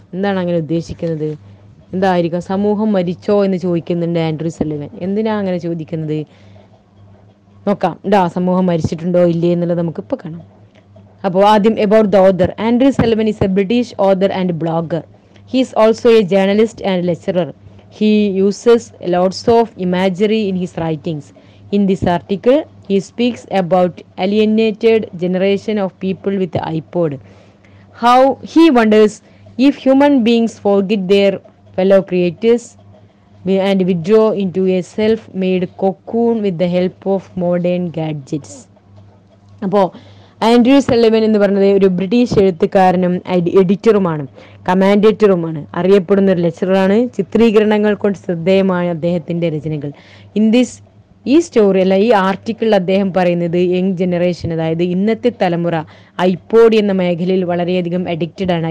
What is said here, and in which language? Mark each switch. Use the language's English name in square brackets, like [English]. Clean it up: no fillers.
[Malayalam] എന്താണ് അങ്ങനെ ഉദ്ദേശിക്കുന്നത്? എന്തായിരിക്കും സമൂഹം മരിച്ചോ എന്ന് ചോദിക്കുന്നുണ്ട് ആൻഡ്രൂ സല്ലിവൻ. എന്തിനാണ് അങ്ങനെ ചോദിക്കുന്നത് നോക്കാം. ഡാ സമൂഹം മരിച്ചിട്ടുണ്ടോ ഇല്ലേ എന്നുള്ളത് നമുക്ക് ഇപ്പോൾ കാണാം. അപ്പോൾ ആദ്യം [English] About the author. Andrew Sullivan is a British author and blogger. He is also a journalist and lecturer. He uses lots of imagery in his writings. In this article, he speaks about alienated generation of people with the iPod. How he wonders if human beings forget their fellow creators and withdraw into a self-made cocoon with the help of modern gadgets. [Malayalam] അപ്പോൾ Andrew സല്ലിവൻ എന്ന് പറയുന്നത് ഒരു British എഴുത്തുകാരനും എഡിറ്ററുമാണ്, കമാൻഡേറ്ററുമാണ്, അറിയപ്പെടുന്ന ഒരു ലെക്ചറാണ്. ചിത്രീകരണങ്ങൾ കൊണ്ട് ശ്രദ്ധേയമായ അദ്ദേഹത്തിൻ്റെ രചനകൾ. [English] in this [Malayalam] ഈ സ്റ്റോറി അല്ല, ഈ ആർട്ടിക്കിളിൽ അദ്ദേഹം പറയുന്നത് [English] young generation, [Malayalam] അതായത് ഇന്നത്തെ തലമുറ, ഐപോഡ് എന്ന മേഖലയിൽ വളരെയധികം അഡിക്റ്റഡ് ആണ്.